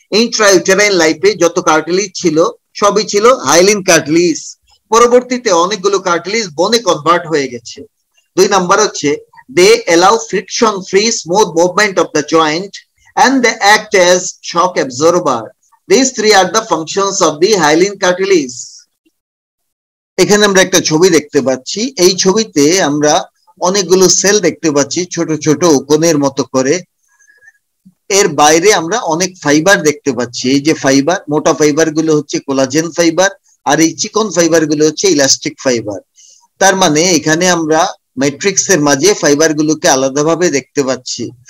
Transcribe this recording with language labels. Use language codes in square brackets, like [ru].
[bn] ইন্ট্রাউটেরাইন লাইফে যত কার্টিলিজ ছিল সবই ছিল হাইলিন কার্টিলিজ, পরবর্তীতে অনেকগুলো কার্টিলিজ বোনে কনভার্ট হয়ে গেছে। দুই নাম্বার হচ্ছে [en] They allow friction free smooth movement of the joint and they act as shock absorber. These three are the functions of the hyaline cartilage. [bn] এখানে আমরা একটা ছবি দেখতে পাচ্ছি, এই ছবিতে আমরা অনেকগুলো সেল দেখতে পাচ্ছি ছোট ছোট কোণের মতো করে, এর বাইরে আমরা অনেক ফাইবার দেখতে পাচ্ছি। এই যে ফাইবার, মোটা ফাইবার গুলো হচ্ছে কোলাজেন ফাইবার আর এই চিকন ফাইবার গুলো হচ্ছে ইলাস্টিক ফাইবার, তার মানে এখানে আমরা ম্যাট্রিক্স এর মাঝে ফাইবার গুলোকে আলাদাভাবে দেখতে পাচ্ছি।